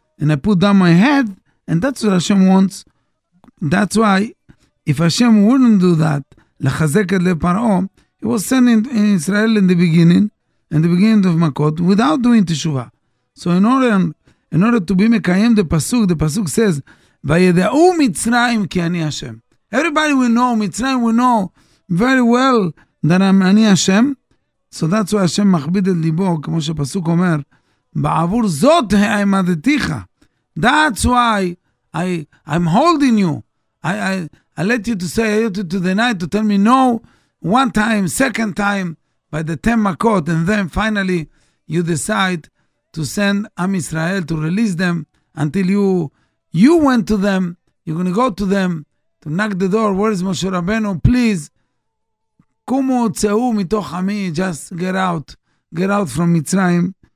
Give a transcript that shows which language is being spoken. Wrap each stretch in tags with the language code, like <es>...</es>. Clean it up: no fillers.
<en>And I put down my head, and that's what Hashem wants. That's why, if Hashem wouldn't do that,</en> <he>לחזק את לב פרעה,</he> <en>he was sending in Israel in the beginning of Makot, without doing teshuva. So in order to be mekayem the pasuk says,</en> <he>"Vayedeu Mitzrayim ki ani Hashem."</he> <en>Everybody will know Mitzrayim. We know very well that I'm ani Hashem. So that's why</en> <he>Hashem מכביד את ליבו, כמו שפסוק אומר, בעבור זאת העמדתיך.</he> <en>That's why I'm holding you. I let you to say, I let you to deny, to tell me no, one time, second time, by the 10 makot, and then finally you decide to send Am Israel to release them until you went to them, you're going to go to them, to knock the door, where is Moshe Rabbeinu, please,</en> <he>kumu tse'u mitoch ami,</he> <en>just get out from Mitzrayim.</en>